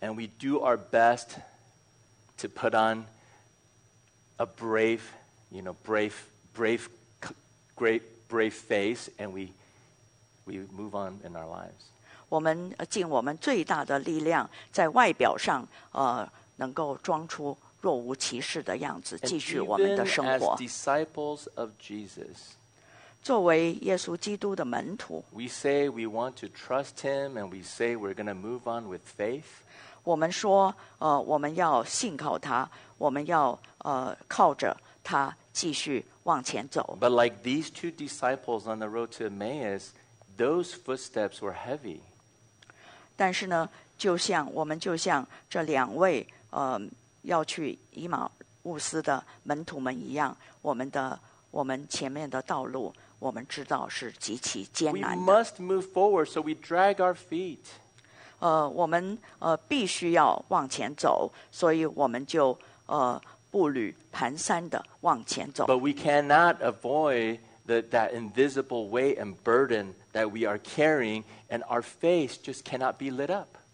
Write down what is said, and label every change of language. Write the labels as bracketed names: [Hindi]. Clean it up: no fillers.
[English] And we do our best to put on a brave, you know, brave face, and we move on in our lives. [Chinese] 我们尽我们最大的力量，在外表上能够装出若无其事的样子，继续我们的生活。 [English] And even as disciples of Jesus, [Chinese] 作为耶稣基督的门徒， [English] we say we want to trust him, and we say we're going to move on with faith. [Chinese] 我们说我们要信靠他，我们要靠着他继续往前走。 [English] But like these two disciples on the road to Emmaus, those footsteps were heavy. [Chinese] 但是呢，就像我们就像这两位要去以马忤斯的门徒们一样，我们前面的道路，我们知道是极其艰难的。 [English] We must move forward, so we drag our feet. [Chinese] 我们必须要往前走，所以我们就步履蹒跚地往前走。 [English] But we cannot avoid that invisible weight and burden that we are carrying, and our face just cannot be lit up.